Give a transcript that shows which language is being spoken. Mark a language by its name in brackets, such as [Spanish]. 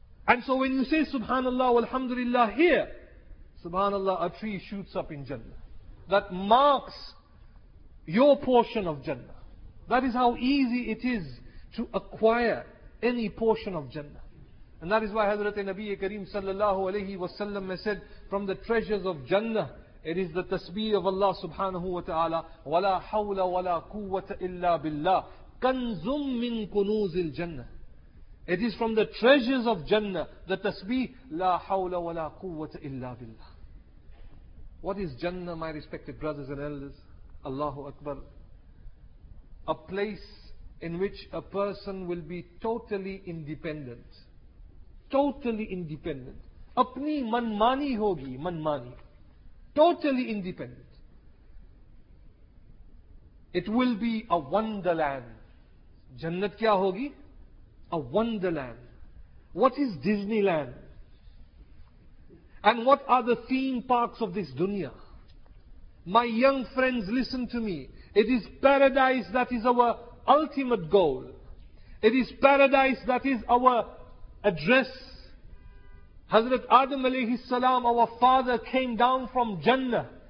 [English] And so when you say سبحان اللہ الحمد للہ ہیئر, سبحان اللہ, a tree shoots up in جنہ, that marks your portion of جنہ. That is how easy it is to acquire any portion of جنہ. And that is why Hazrat Nabi Kareem sallallahu alayhi wa sallam said, from the treasures of Jannah, it is the tasbih of Allah subhanahu wa ta'ala, [Arabic] وَلَا حَوْلَ وَلَا قُوَّةَ إِلَّا بِاللَّهِ كَنْزٌ مِّن كُنُوزِ الْجَنَّةِ. [English] It is from the treasures of Jannah, the tasbih, [Arabic] لَا حَوْلَ وَلَا قُوَّةَ إِلَّا بِاللَّهِ. [English] What is Jannah, my respected brothers and elders? Allahu Akbar. A place in which a person will be totally independent. Totally independent. [Urdu] اپنی منمانی ہوگی, منمانی. [English] Totally independent. It will be a wonderland. [Urdu] جنت کیا ہوگی؟ [English] A wonderland. What is Disneyland? And what are the theme parks of this dunya? My young friends, listen to me. It is paradise that is our ultimate goal. It is paradise that is our address. Hazrat Adam alayhi salam, our father, came down from Jannah.